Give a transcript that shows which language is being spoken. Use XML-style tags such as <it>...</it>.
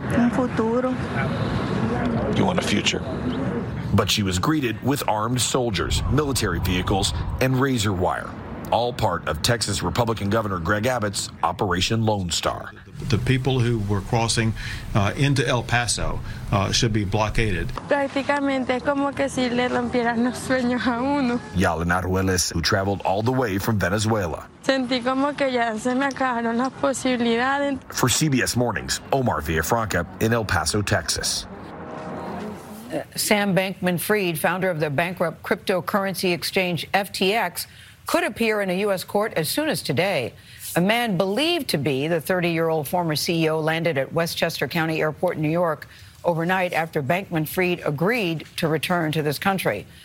<en>You want a future? But she was greeted with armed soldiers, military vehicles, and razor wire. all part of Texas Republican Governor Greg Abbott's Operation Lone Star. The people who were crossing into El Paso should be blockaded.</en> <es>Prácticamente como que si le rompieran los sueños a uno.</es> <en>Yalen Arueles, who traveled all the way from Venezuela.</en> <es>Sentí como que ya se me acabaron las posibilidades.</es> <en>For CBS Mornings, Omar Villafranca in El Paso, Texas. Sam Bankman-Fried, founder of the bankrupt cryptocurrency exchange FTX, could appear in a U.S. court as soon as today. A man believed to be the 30-year-old former CEO landed at Westchester County Airport in New York overnight after Bankman-Fried agreed to return to this country.</en>